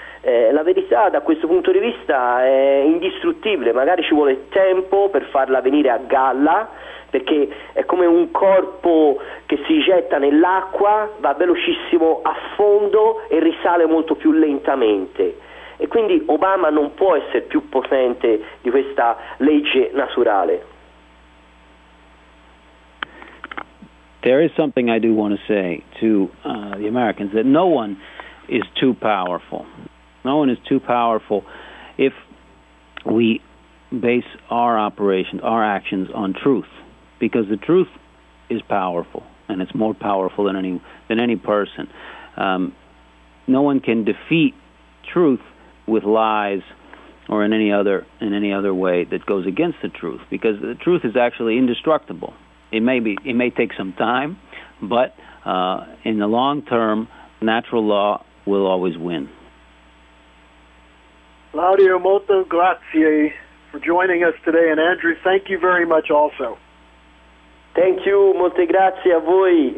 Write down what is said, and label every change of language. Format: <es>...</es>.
<it>La verità da questo punto di vista è indistruttibile, magari ci vuole tempo per farla venire a galla, perché è come un corpo che si getta nell'acqua, va velocissimo a fondo e risale molto più lentamente, e quindi Obama non può essere più potente di questa legge naturale.</it> <en>There is something I do want to say to the Americans, that no one is too powerful. No one is too powerful if we base our operations, our actions on truth, because the truth is powerful, and it's more powerful than any person. No one can defeat truth with lies or in any other way that goes against the truth, because the truth is actually indestructible. It may take some time, but in the long term, natural law will always win. Claudio,</en> <it>molto grazie</it> <en>for joining us today, and Andrew, thank you very much also. Thank you,</en> <it>molte grazie a voi.</it>